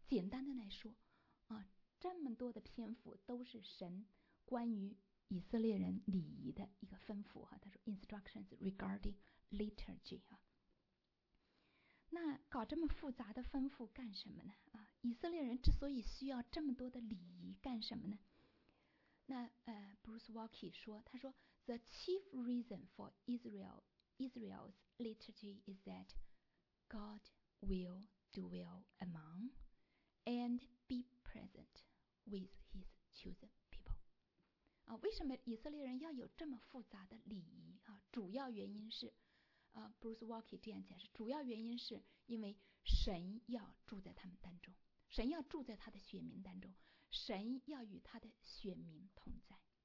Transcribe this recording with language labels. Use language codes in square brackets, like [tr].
[zh] 简单的来说啊，这么多的篇幅都是神关于以色列人礼仪的一个吩咐哈、他说 instructions regarding liturgy 啊。那搞这么复杂的吩咐干什么呢？啊，以色列人之所以需要这么多的礼仪干什么呢？ [en] 那Bruce Waukee [zh] 说，他说 [en] the chief reason for Israel's liturgy is that God will dwell among and be present with his chosen people. [zh] 啊，为什么以色列人要有这么复杂的礼仪啊？主要原因是Bruce Waukee 这样解释，主要原因是因为神要住在他们当中，神要住在他的选民当中，神要与他的选民同在。